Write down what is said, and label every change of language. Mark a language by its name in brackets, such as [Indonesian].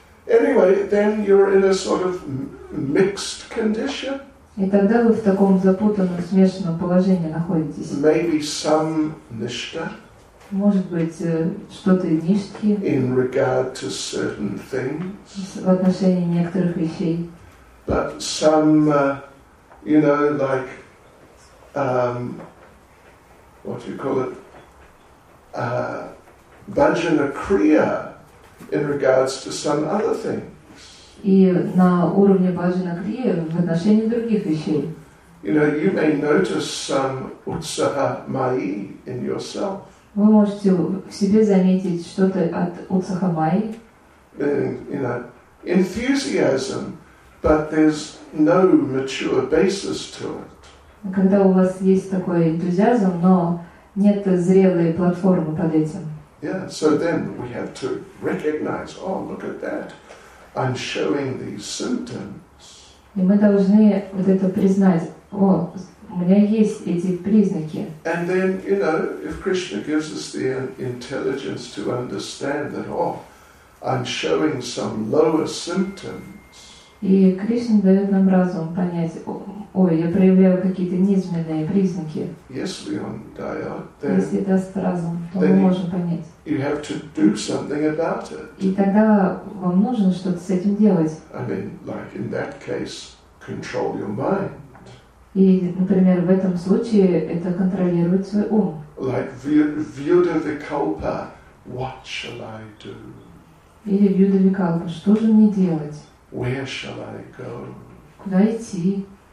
[English] Anyway, then you're in a sort of mixed condition. [Russian] И тогда вы в таком запутанном, смешанном положении находитесь. [English] Maybe some nishta. [Russian] Может быть, что-то нишки. [English] In regard to certain things. [Russian] В отношении некоторых вещей. [English] But some, you know, like, what do you call it? Vajana Kriya in regards to some other things. [Russian] И на уровне Баджана Крия в отношении других вещей. [English] You know, you may notice some utsaha mayi in yourself. [Russian] Вы можете в себе заметить что-то от utsaha mayi. [English] You know, enthusiasm, but there's no mature basis to it. [Russian] Когда у вас есть такой энтузиазм, но нет зрелой платформы под этим. [English] Yeah, so then we have to recognize, oh, look at that. I'm showing these symptoms. [Russian] И мы должны вот это признать. О, у меня есть эти признаки. [English] And then, you know, if Krishna gives us the intelligence to understand that, oh, I'm showing some lower symptoms. [Russian] И Кришна дает нам разум понять. Ой, я проявляю какие-то низменные признаки. Если он дает, [English] then, [Russian] если даст разум, то мы можем понять. [English] You have to do something about it. [Russian] И тогда вам нужно что-то с этим делать. [English] I mean, like in that case, control your mind. [Russian] И, например, в этом случае это контролировать свой ум. [English] Like Vyudhavikalpa, what shall I do? [Russian] Или Vyudhavikalpa, что же мне делать? [English] Where shall I go? [Russian] Куда идти?